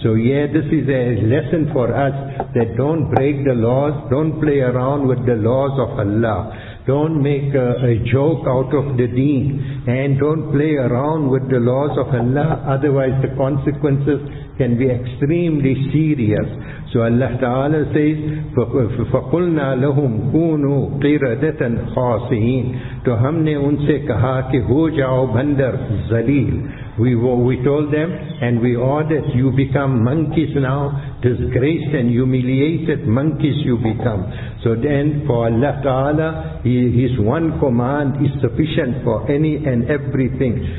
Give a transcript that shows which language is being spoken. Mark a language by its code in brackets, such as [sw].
[en] So yeah, this is a lesson for us, that don't break the laws, don't play around with the laws of Allah. Don't make a joke out of the deen, and don't play around with the laws of Allah, otherwise the consequences can be extremely serious. So Allah Ta'ala says, [ar] فَقُلْنَا لَهُمْ كُونُوا قِرَدَةً خَاسِئِينَ. [ur] To hum ne unse kaha ke ho jao bandar zaleel. [en] We told them, and we ordered, you become monkeys now, disgraced and humiliated monkeys you become. So then for Allah Ta'ala, His one command is sufficient for any and everything.